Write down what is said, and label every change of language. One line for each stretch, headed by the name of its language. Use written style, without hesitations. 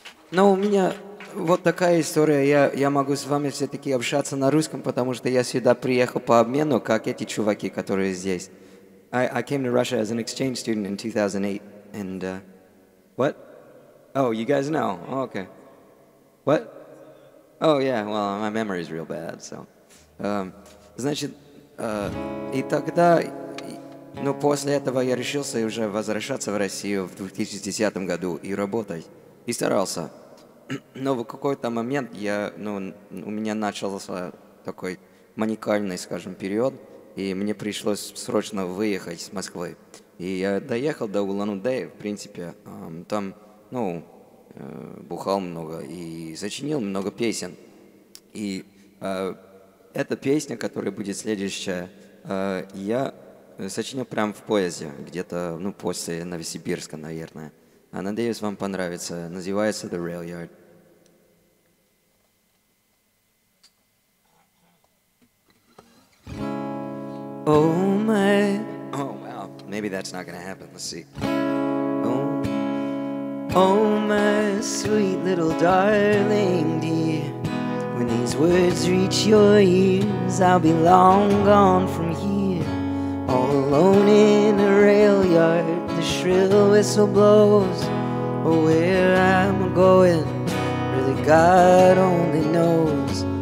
Russian: Ну, у меня вот такая история. Я могу с вами все-таки общаться на русском, потому что я сюда приехал по обмену, как эти чуваки, которые здесь.
English: I came to Russia as an exchange student in 2008, and, what? Oh, you guys know. Oh, okay. What? Oh, yeah, well, my memory's real bad, so.
Russian: Значит, и тогда, ну, после этого я решился уже возвращаться в Россию в 2010 году и работать. И старался. Но в какой-то момент я, ну, у меня начался такой маниакальный, скажем, период. И мне пришлось срочно выехать с Москвы. И я доехал до Улан-Удэ, в принципе. Там, ну, бухал много и сочинил много песен. И эта песня, которая будет следующая, я сочинил прямо в поезде, где-то, ну, после Новосибирска, наверное. Надеюсь, вам понравится. Называется «The Rail Yard».
English: Oh my, oh well, maybe that's not gonna happen, let's see. Oh my sweet little darling dear, when these words reach your ears, I'll be long gone from here, all alone in a rail yard, the shrill whistle blows, oh where I'm going, really God only knows.